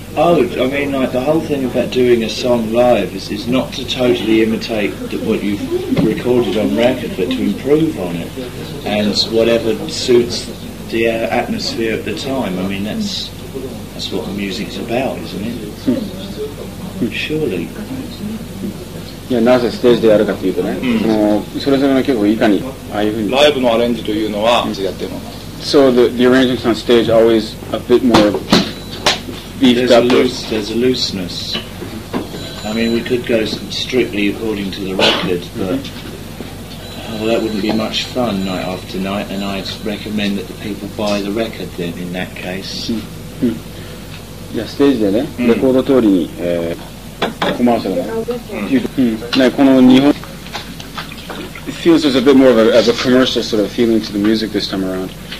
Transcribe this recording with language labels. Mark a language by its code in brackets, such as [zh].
[en] Oh, I mean, the whole thing about doing a song live is not to totally imitate what you've recorded on record, but to improve on it and whatever suits the atmosphere at the time. I mean, that's what the music's about, isn't it? Surely. [ja] いや、なぜステージでやるかというとね、うん、それぞれの曲をいかにああいうふうにライブのアレンジというのは、うん、やっても [en] そう、the arrangements on stage always a bit more beefed up. There's a looseness. I mean, we could go strictly according to the record, but well, that wouldn't be much fun night after night, and I'd recommend that the people buy the record then in that case. [ja] いや、ステージでね、レコード通りに、コマーシャルね。ね、この日本。 [en] It feels there's a bit more of a commercial sort of feeling to the music this time around.